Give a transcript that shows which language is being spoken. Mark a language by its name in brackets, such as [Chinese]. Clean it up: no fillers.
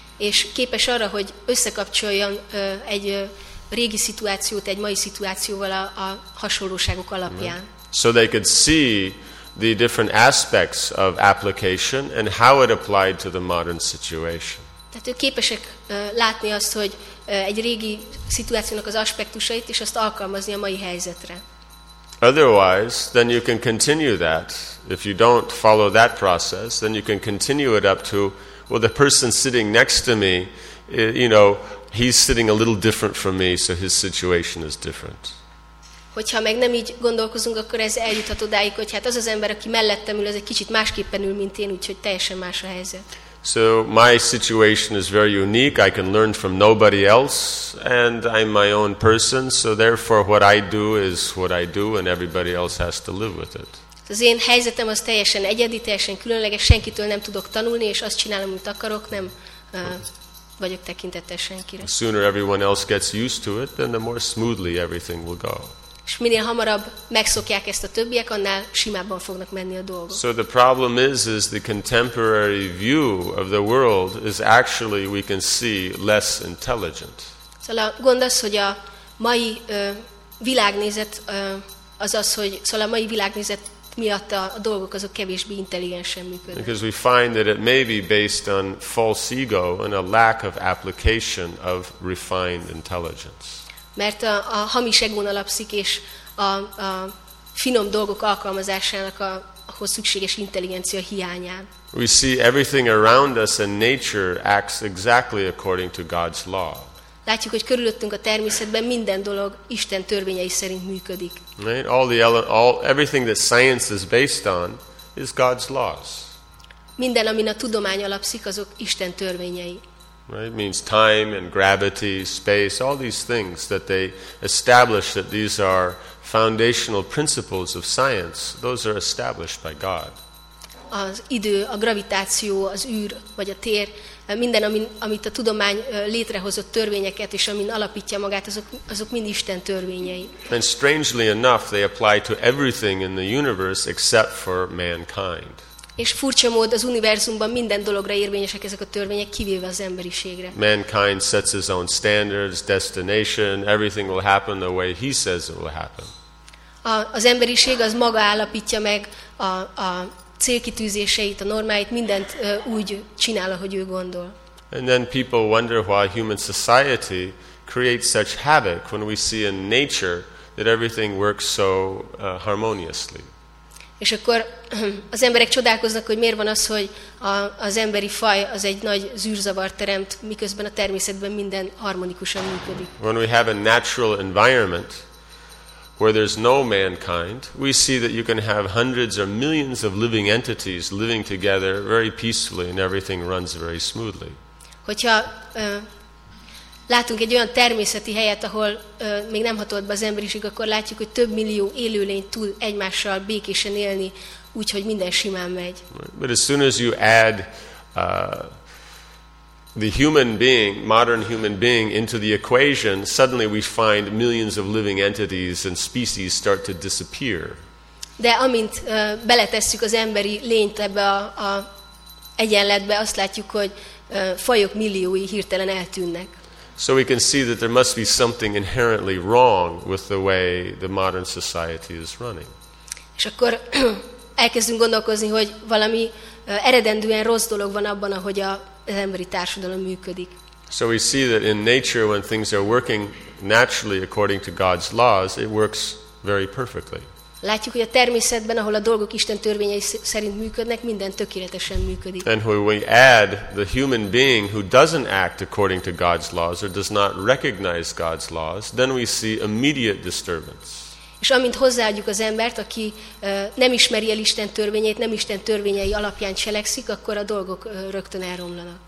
[Hungarian] És képes arra, hogy összekapcsoljon egy régi szituációt egy mai szituációval a hasonlóságok alapján. [English] So they could see the different aspects of application and how it applied to the modern situation. [Hungarian] Tehát ők képesek látni azt, hogy egy régi szituációnak az aspektusait, és azt alkalmazni a mai helyzetre. [English] Otherwise, then you can continue that. If you don't follow that process, then you can continue it up to, well, the person sitting next to me, you know, he's sitting a little different from me, so his situation is different. [Hungarian] Hogyha meg nem így gondolkozunk, akkor ez eljuthat odáig, hogy hát az az ember, aki mellettem ül, az egy kicsit másképpen ül, mint én, úgyhogy teljesen más a helyzet. [English] So my situation is very unique. I can learn from nobody else and I'm my own person. So therefore what I do is what I do and everybody else has to live with it. [Hungarian] Az én helyzetem az teljesen egyedi, teljesen különleges, senkitől nem tudok tanulni, és azt csinálom, amit akarok, nem vagyok tekintettel senkire. [English] The sooner everyone else gets used to it, then the more smoothly everything will go. [Hungarian] És minél hamarabb megszokják ezt a többiek, annál simábban fognak menni a dolgok. [English] So the problem is the contemporary view of the world is actually, we can see, less intelligent. [Hungarian] Szóval a gond az, hogy a mai világnézet az, hogy szóval a mai világnézet miatt a dolgok azok kevésbé intelligensen működnek. [English] Because we find that it may be based on false ego and a lack of application of refined intelligence. [Hungarian] Mert a hamis egón alapszik, és a finom dolgok alkalmazásának ahhoz szükséges intelligencia hiányán. [English] We see everything around us and nature acts exactly according to God's law. [Hungarian] Látjuk, hogy körülöttünk a természetben minden dolog Isten törvényei szerint működik. [English] Right? Everything that science is based on is God's laws. [Hungarian] Minden, amin a tudomány alapszik, azok Isten törvényei. [English] Right? It means time and gravity, space, all these things that they establish that these are foundational principles of science, those are established by God. [Hungarian] Az idő, a gravitáció, az űr, vagy a tér, minden, amit a tudomány létrehozott törvényeket, és amin alapítja magát, azok mind Isten törvényei. [English] And strangely enough, they apply to everything in the universe except for mankind. [Hungarian] És furcsa mód az univerzumban minden dologra érvényesek ezek a törvények, kivéve az emberiségre. [English] Mankind sets his own standards, destination, everything will happen the way he says it will happen. [Hungarian] Az emberiség az maga állapítja meg a célkitűzéseit, a normáit, mindent úgy csinál, ahogy ő gondol. [English] And then people wonder why human society creates such havoc when we see in nature that everything works so harmoniously. [Hungarian] És akkor az emberek csodálkoznak, hogy miért van az, hogy az emberi faj az egy nagy zűrzavar teremt, miközben a természetben minden harmonikusan működik. [English] When we have a natural environment where there's no mankind, we see that you can have hundreds or millions of living entities living together very peacefully and everything runs very smoothly. [Hungarian] Hogyha látunk egy olyan természeti helyet, ahol még nem hatott be az emberiség, akkor látjuk, hogy több millió élőlény tud egymással békésen élni, úgyhogy minden simán megy. [English] But as soon as you add the human being, modern human being, into the equation, suddenly we find millions of living entities and species start to disappear. [Hungarian] De amint beletesszük az emberi lényt ebbe a egyenletbe, azt látjuk, hogy fajok milliói hirtelen eltűnnek. [English] So we can see that there must be something inherently wrong with the way the modern society is running. [Hungarian] És akkor elkezdünk gondolkozni, hogy valami eredendően rossz dolog van abban, ahogy az emberi társadalom működik. [English] So we see that in nature, when things are working naturally according to God's laws, it works very perfectly. [Hungarian] Látjuk, hogy a természetben, ahol a dolgok Isten törvényei szerint működnek, minden tökéletesen működik. [English] And when we add the human being who doesn't act according to God's laws or does not recognize God's laws, then we see immediate disturbance. [Hungarian] És amint hozzáadjuk az embert, aki nem ismeri el Isten törvényeit, nem Isten törvényei alapján cselekszik, akkor a dolgok rögtön elromlanak.